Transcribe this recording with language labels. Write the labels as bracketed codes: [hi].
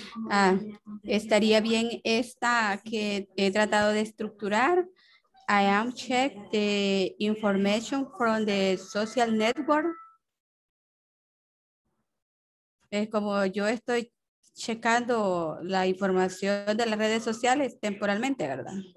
[es] Ah, estaría bien esta que he tratado de estructurar. [en] I am checked the information from the social network. [es] Es como yo estoy checando la información de las redes sociales temporalmente, ¿verdad?